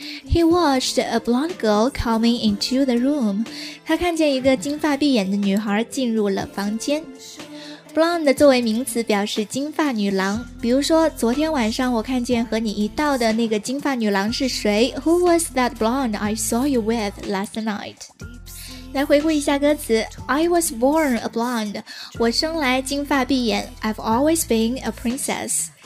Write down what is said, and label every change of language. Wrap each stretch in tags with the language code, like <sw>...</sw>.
<en>He watched a blonde girl coming into the room.</en> <zh>他看见一个金发碧眼的女孩进入了房间。 Blonde 作为名词表示金发女郎，比如说昨天晚上我看见和你一道的那个金发女郎是谁？</zh> <en>Who was that blonde I saw you with last night?</en> <zh>来回顾一下歌词。</zh> <en>I was born a blonde.</en> <zh>我生来金发碧眼。</zh> <en>I've always been a princess.</en>